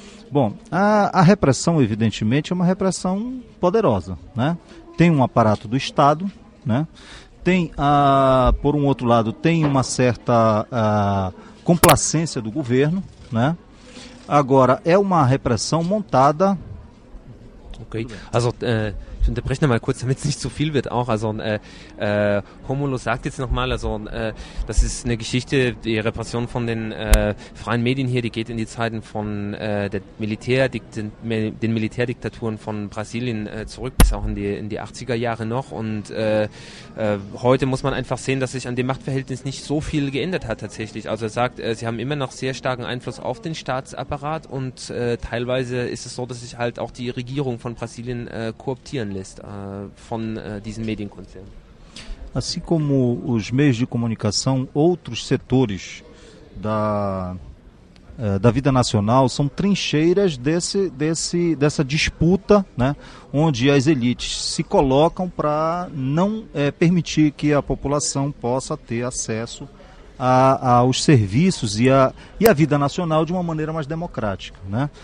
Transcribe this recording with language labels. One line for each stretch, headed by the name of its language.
Portuguese: Bom, a repressão, evidentemente, é uma repressão poderosa, né? Tem um aparato do Estado, né? Tem, por um outro lado, tem uma certa complacência do governo, né? Agora, é uma repressão montada.
German: Ok, also, ich unterbreche nochmal kurz, damit es nicht zu viel wird auch. Also Romulo sagt jetzt nochmal, also das ist eine Geschichte, die Repression von den freien Medien hier, die geht in die Zeiten von den Militärdiktaturen von Brasilien zurück, bis auch in die 80er Jahre noch. Und heute muss man einfach sehen, dass sich an dem Machtverhältnis nicht so viel geändert hat tatsächlich. Also er sagt, sie haben immer noch sehr starken Einfluss auf den Staatsapparat, und teilweise ist es so, dass sich halt auch die Regierung von Brasilien kooptieren lässt von diesen Medienkonzernen.
Portuguese: Assim como os meios de comunicação, outros setores da vida nacional são trincheiras dessa disputa, né, onde as elites se colocam para não permitir que a população possa ter acesso aos serviços e a vida nacional de uma maneira mais democrática, né?